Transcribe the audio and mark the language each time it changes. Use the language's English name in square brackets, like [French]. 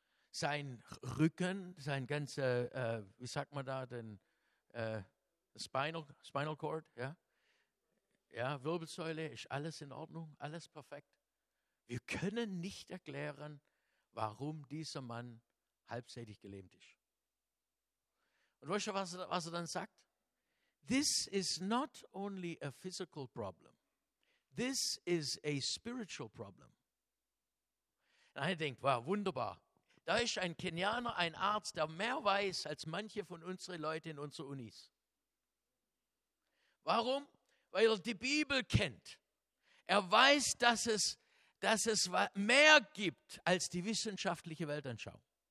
[German] Sein Rücken, sein ganzer, wie sagt man da, den Spinal Cord, ja? Ja, Wirbelsäule, ist alles in Ordnung, alles perfekt. Wir können nicht erklären, warum dieser Mann halbseitig gelähmt ist. Und weißt du, was er dann sagt? [English] This is not only a physical problem. This is a spiritual problem. [German] Und ich denke, wow, wunderbar. Da ist ein Kenianer, ein Arzt, der mehr weiß als manche von unseren Leuten in unseren Unis. Warum? Weil er die Bibel kennt. Er weiß, dass es mehr gibt als die wissenschaftliche Weltanschauung.